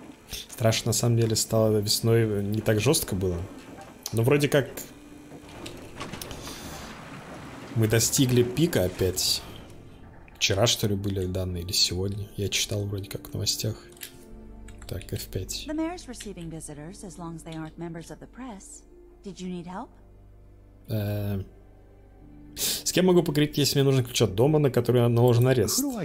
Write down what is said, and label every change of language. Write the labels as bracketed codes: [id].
[ru] Страшно, на самом деле, стало весной. Не так жестко было. Но вроде как мы достигли пика опять. Вчера, что ли, были данные или сегодня? Я читал вроде как в новостях. Так, F5. [en] Мэр receiving visitors, as long as they aren't members of the press. Did you need help? [ru] С кем могу поговорить, если мне нужен ключ от дома, на который наложен арест?